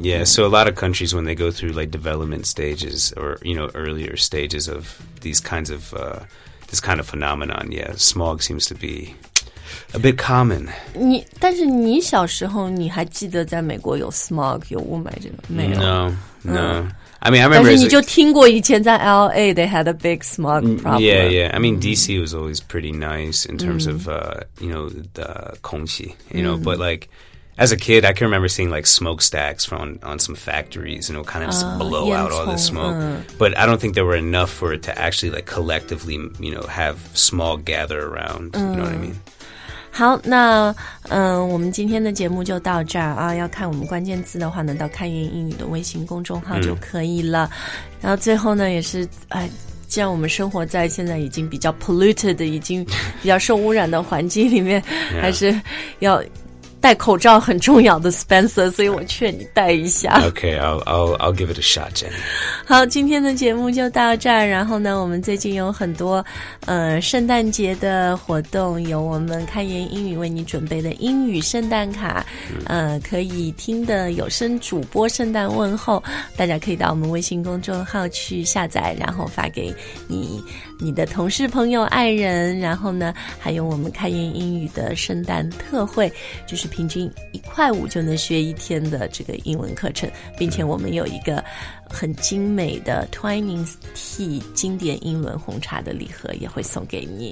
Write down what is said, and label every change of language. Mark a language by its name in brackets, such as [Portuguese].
[English] yeah, so a lot of countries when they go through like development stages or you know earlier stages of these kinds of this kind of phenomenon yeah, smog seems to be a bit common [Chinese] 你但是你小时候你还记得在美国有 smog 有雾霾这个没有 [English] No I mean I remember [Chinese] 但是你就听过以前在 LA [English] they had a big smog problem Yeah I mean DC was always pretty nice in terms of you know the 空气 you know but likeAs a kid, I can remember seeing like smokestacks on some factories and it would kind of just blow out all the smoke. But I don't think there were enough for it to actually like collectively, you know, have smog gather around, you know what I mean? [Chinese] 好那我们今天的节目就到这儿啊要看我们关键字的话呢到看云英语的微信公众号就可以了。然后最后呢也是既然我们生活在现在已经比较 polluted, 已经比较受污染的环境里面还是要戴口罩很重要的 Spencer 所以我劝你戴一下 [English] OK I'll give it a shot Jenny [Chinese] 好今天的节目就到这儿然后呢我们最近有很多圣诞节的活动有我们开言英语为你准备的英语圣诞卡可以听的有声主播圣诞问候大家可以到我们微信公众号去下载然后发给你的同事朋友爱人然后呢还有我们开言英语的圣诞特惠就是平均1.5块就能学一天的这个英文课程并且我们有一个很精美的 Twinings Tea 经典英文红茶的礼盒也会送给你